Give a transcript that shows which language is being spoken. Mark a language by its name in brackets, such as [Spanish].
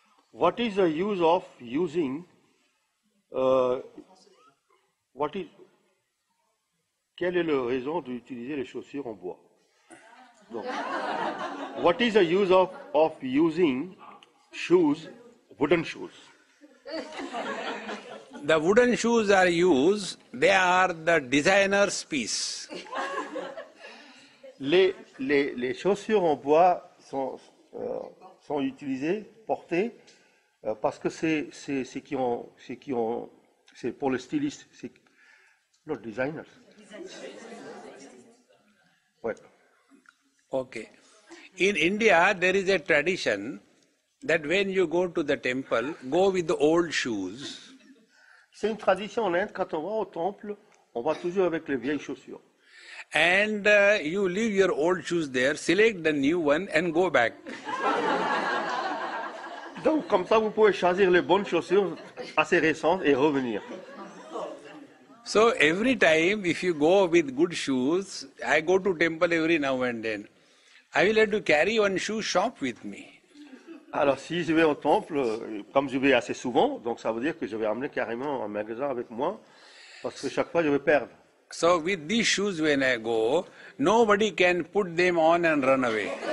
[English] What is the use of using, [French] quelle est la raison d'utiliser les chaussures en bois? [English] Donc, what is the use of using shoes, wooden shoes? The wooden shoes are used, they are the designer's piece. [French] Les chaussures en bois sont, sont utilisées, portées, parce que c'est pour le styliste, c'est le designer. Ouais. Okay. [English] In India, there is a tradition that when you go to the temple, go with the old shoes. [French] C'est une tradition en Inde, quand on va au temple, on va toujours avec les vieilles chaussures. [English] And you leave your old shoes there, select the new one and go back. [French] Donc, comme ça, vous pouvez choisir les bonnes chaussures assez récentes et revenir. [English] So, every time, if you go with good shoes, I go to temple every now and then. I will have to carry one shoe shop with me. [French] Alors, si je vais au temple, comme je vais assez souvent, donc ça veut dire que je vais amener carrément un magasin avec moi, parce que chaque fois, je vais perdre. [English] So, with these shoes, when I go, nobody can put them on and run away.